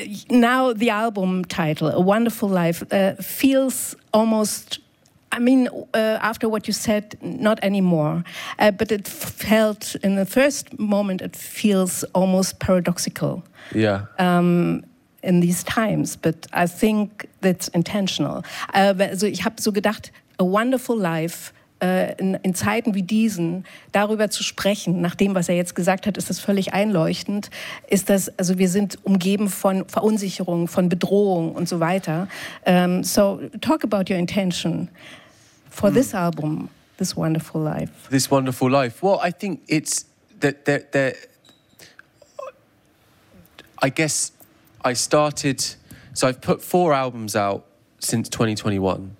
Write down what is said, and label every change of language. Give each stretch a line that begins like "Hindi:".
English: Now the album title, A Wonderful Life, feels almost, I mean, after what you said, not anymore. But it felt, in the first moment, it feels almost paradoxical. Yeah. In these times. But I think that's intentional.
German: Also ich habe so gedacht, A Wonderful Life, in Zeiten wie diesen, darüber zu sprechen, nach dem, was er jetzt gesagt hat, ist das völlig einleuchtend. Ist das, also wir sind umgeben von Verunsicherung, von Bedrohung und so weiter.
English: So, talk about your intention for this album, This Wonderful Life. This Wonderful Life. Well, I think it's that, I guess I started, so I've put 4 albums out since 2021.